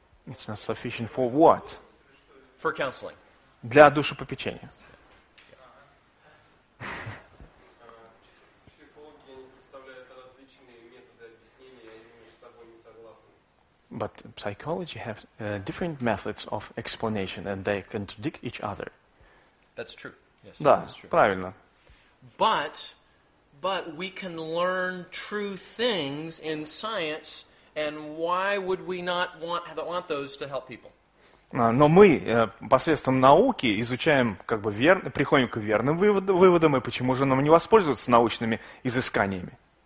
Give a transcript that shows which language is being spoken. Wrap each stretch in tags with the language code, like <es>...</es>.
<en>It's not sufficient for what? For counseling.</en> <ru>Для душепопечения. Психологи представляют различные методы объяснения, они между собой не согласны.</ru> <en>But psychology have different methods of explanation and they contradict each other. That's true. Yes,</en> <ru>да,</ru> <en>that's true.</en> <ru>Правильно.</ru> <en>But we can learn true things in science. And why would we not want those to help people?</en> <ru>Но мы посредством науки изучаем, как бы приходим к верным выводам, и почему же нам не воспользоваться научными изысканиями?</ru>